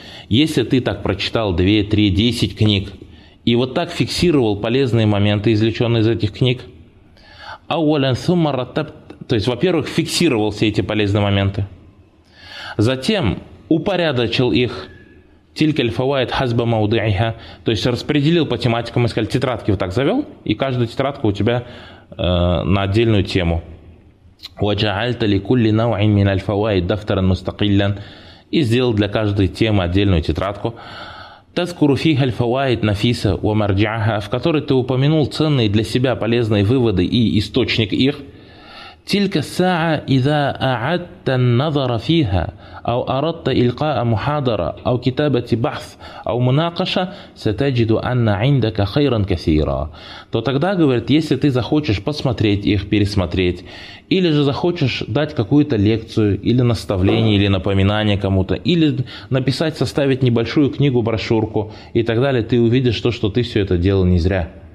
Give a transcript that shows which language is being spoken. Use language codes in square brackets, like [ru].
[ru] Если ты так прочитал 2, 3, 10 книг и вот так фиксировал полезные моменты, извлеченные из этих книг, [ar] أولاً ثم رتبت, [ru] то есть, во-первых, фиксировал все эти полезные моменты, затем упорядочил их, [ar] تِلْكَ الْفَوَائِدُ حَسْبَ مَوْضِعِهَا, [ru] то есть распределил по тематикам, и сказал, тетрадки вот так завел, и каждая тетрадка у тебя на отдельную тему. [ar] وَجَعَلْتَ لِكُلِّ نَوْعٍ مِنَ الْفَوَائِدِ دَفْتَرًا مُسْتَقِلًا, [ru] и сделал для каждой темы отдельную тетрадку. [ar] تَذْكُرُ فِيهَا الْفَوَائِدُ نَفِيسًا وَمَرْجِعَهَا, [ru] в которой ты упомянул ценные для себя полезные выводы и источник их. [ar] تلك الساعة إذا أعدت النظر فيها أو أردت إلقاء محاضرة أو كتابة بحث أو مناقشة ستجد أن عندك خيرا كثيرا. [ru] То тогда, говорит, если ты захочешь посмотреть их, пересмотреть, или же захочешь дать какую-то лекцию, или наставление, или напоминание кому-то, или написать, составить небольшую книгу, брошюрку и так далее, ты увидишь то, что ты все это делал не зря.